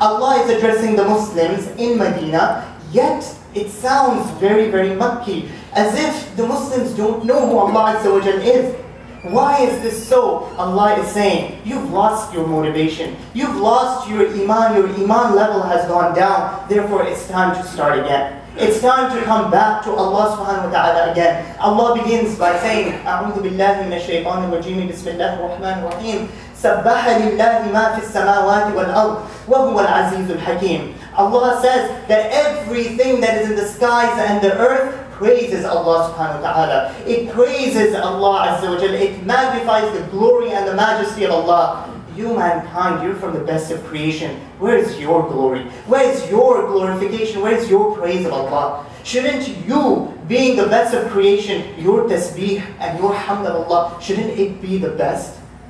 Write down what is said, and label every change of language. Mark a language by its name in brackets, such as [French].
[English] Allah is addressing the Muslims in Medina, yet it sounds very, very Makki, as if the Muslims don't know who Allah is. Why is this so? Allah is saying, you've lost your motivation. You've lost your iman. Your iman level has gone down. Therefore, it's time to start again. It's time to come back to Allah subhanahu wa ta'ala again. Allah begins by saying, [Arabic] أَعُوذُ بِاللَّهِ مِنَ الشَّيْطَانِ الرَّجِيمِ بِسْمِ اللَّهِ الرَّحْمَنِ الرَّحِيمِ سَبَّحَ لِلَّهِ مَا فِي السَّمَاوَاتِ وَالْأَرْضِ وَهُوَ الْعَزِيزُ الْحَكِيمِ. [English] Allah says that everything that is in the skies and the earth praises Allah subhanahu wa ta'ala. It praises Allah azza wa jalla. It magnifies the glory and the majesty of Allah. You mankind, you're from the best of creation. Where is your glory? Where is your glorification? Where is your praise of Allah? Shouldn't you, being the best of creation, your tasbih and your hamd of Allah, shouldn't it be the best?